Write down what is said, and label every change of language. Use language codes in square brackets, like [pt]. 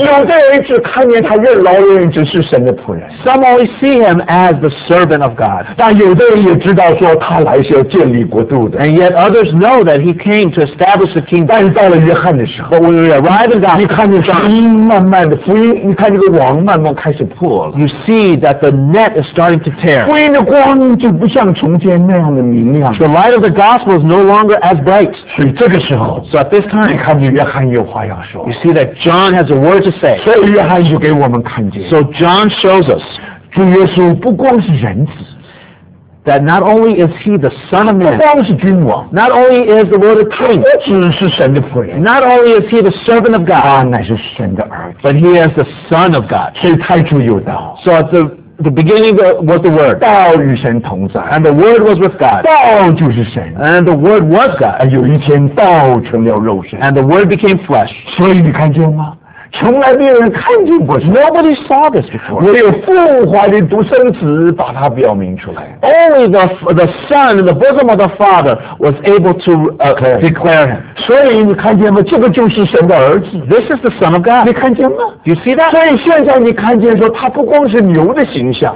[zh] 有的人只看见他越老越只是神的仆人。 [en] Some only see him as the servant of God. [zh] 但有的人也知道说他来是要建立国度的。 [en] And yet others know that he came to establish the kingdom. [zh] 但是到了约翰的时候 [en] ，When we arrive in God, [zh] 你看见福音慢慢的福音，你看这个网慢慢开始破了。 [en] You see that the net is starting to tear. [zh] 福音的光就不像从前那样的明亮。 [en] The light of the gospel is no longer as bright. [zh] 所以这个时候 [en] ，So at this time, [zh] 你看见约翰。有话要说。 [en] You see that John has a word to say. [zh] 所以约翰就给我们看见。 [en] So John shows us, [zh] 主耶稣不光是人子。 [en] That not only is he the Son of Man, [zh] 不光是君王。 [en] Not only is the Lord a king, [zh] 不只是神的仆人。 [en] Not only is he the servant of God, [zh] 他乃是神的儿子。 [en] But he is the Son of God. [zh] 所以太初有道。 [en] So at the beginning was the Word. [zh] 道与神同在。 [en] And the Word was with God. [zh] 道就是神。 [en] And the Word was God. [zh] 有一天道成了肉身。 [en] And the Word became flesh. [zh] 所以你看见吗？从来没有人看见过。 [en] Nobody saw this before. [zh] 唯有父怀的独生子把它表明出来。 [en] Only the Son in the bosom of the Father was able to declare him. [zh] 所以你看见吗？这个就是神的儿子。 [en] This is the Son of God. [zh] 你看见吗？ [en] You see that? [zh] 所以现在你看见说他不光是牛的形象。